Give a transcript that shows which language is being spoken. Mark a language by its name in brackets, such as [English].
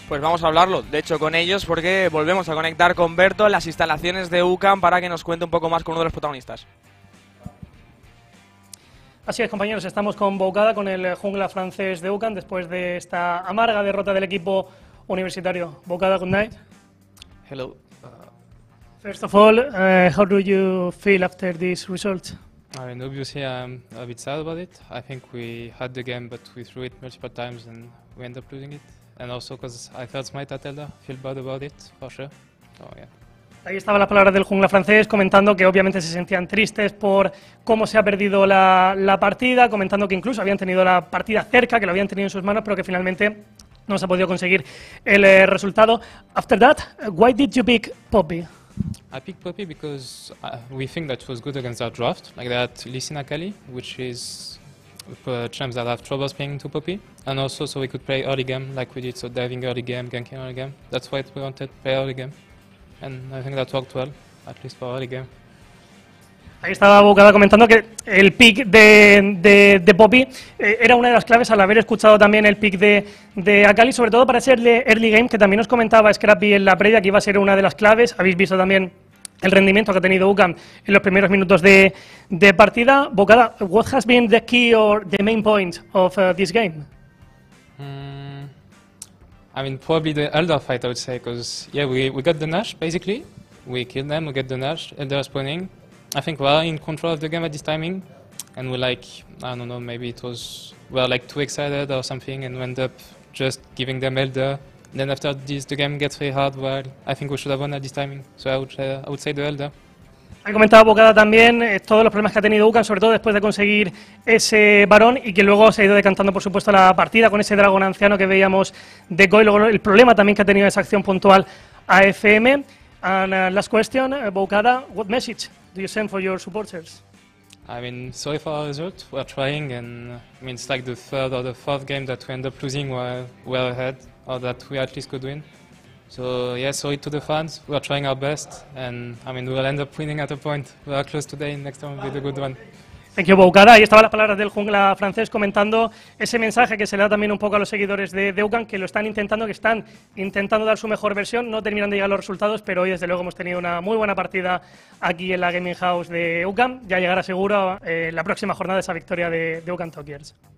[Spanish] Pues vamos a hablarlo, de hecho, con ellos porque volvemos a conectar con Berto en las instalaciones de UCAM para que nos cuente un poco más con uno de los protagonistas. Así es, compañeros, estamos con Boucada, con el jungla francés de UCAM después de esta amarga derrota del equipo universitario. [English] Boucada, good night. Hello. First of all, how do you feel after this result? I mean, obviously, I'm a bit sad about it. I think we had the game, but we threw it multiple times and we ended up losing it. And also because I felt smite at Elda, feel bad about it, for sure. Oh, yeah. [Spanish] Ahí estaban las palabras del jungla francés comentando que obviamente se sentían tristes por cómo se ha perdido la partida, comentando que incluso habían tenido la partida cerca, que lo habían tenido en sus manos, pero que finalmente no se ha podido conseguir el resultado. [English] After that, why did you pick Poppy? I picked Poppy because we think that she was good against our draft, like that Lee Sin Akali, which is for champs that have troubles playing to Poppy, and also so we could play early game like we did, so diving early game, ganking early game. That's why we wanted to play early game, and I think that worked well, at least for early game. [Spanish] Ahí estaba Bocada comentando que el pick de Poppy era una de las claves al haber escuchado también el pick de Akali, sobre todo para ese early game que también os comentaba Scrappy en la previa que iba a ser una de las claves. Habéis visto también el rendimiento que ha tenido UCAM en los primeros minutos de partida. [English] Bocada, what has been the key or the main point of this game? I mean, probably the Elder fight, I would say, because yeah, we got the Nash, basically. We killed them, we get the Nash, Elder spawning. I think we are in control of the game at this timing, and we like, I don't know, maybe it was, we are like too excited or something, and we end up just giving them Elder. And then after this, the game gets very hard, well, I think we should have won at this timing, so I would say the Elder. [Spanish] Ha comentado Bocada también todos los problemas que ha tenido UCAM, sobre todo después de conseguir ese varón y que luego se ha ido decantando, por supuesto, la partida con ese dragón anciano que veíamos de Koi, luego el problema también que ha tenido esa acción puntual AFM. [English] And last question, Bocada, what message do you send for your supporters? I mean, sorry for our result, we are trying, and I mean, it's like the third or the fourth game that we end up losing while we are ahead, or that we at least could win. So, yeah, sorry to the fans, we are trying our best, and I mean, we will end up winning at a point. We are close today, next time will be the good one. Thank you, Boucada. [Spanish] Ahí estaban las palabras del jungla francés comentando ese mensaje que se le da también un poco a los seguidores de UCAM, que lo están intentando, que están intentando dar su mejor versión. No terminan de llegar los resultados, pero hoy desde luego hemos tenido una muy buena partida aquí en la Gaming House de UCAM. Ya llegará seguro la próxima jornada esa victoria de UCAM Talkers.